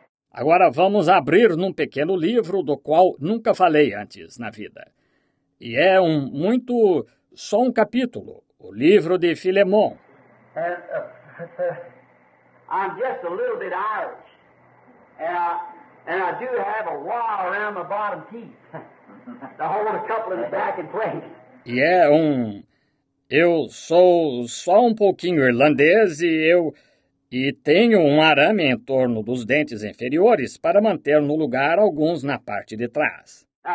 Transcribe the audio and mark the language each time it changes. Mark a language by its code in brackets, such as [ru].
[pt] Agora vamos abrir num pequeno livro do qual nunca falei antes na vida. E é um muito... só um capítulo, o livro de Filemon. [en] I'm just a little bit Irish. And I do have a wall around my bottom teeth. To hold a couple in the back in place. [pt] E é um... eu sou só um pouquinho irlandês e eu... e tenho um arame em torno dos dentes inferiores para manter no lugar alguns na parte de trás.